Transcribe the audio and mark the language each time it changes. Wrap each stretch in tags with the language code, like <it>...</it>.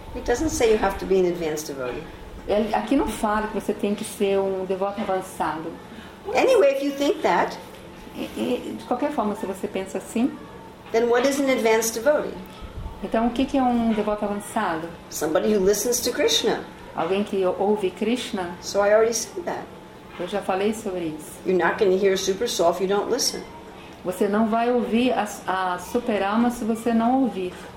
<en>It doesn't say you have to be an advanced devotee.</en> <pt>Aqui não fala que você tem que ser um devoto avançado.</pt> <en>Anyway, if you think that,</en> <pt>de qualquer forma, se você pensa assim,</pt> <en>then what is an advanced devotee?</en> <pt>Então, o que é devoto avançado?</pt> <en>Somebody who listens to Krishna.</en> <pt>Alguém que ouve Krishna.</pt> <en>So I already said that.</en> <pt>Eu já falei sobre isso.</pt> <en>You're not going to hear super soul if you don't listen.</en> <pt>Você não vai ouvir a super alma se você não ouvir.</pt>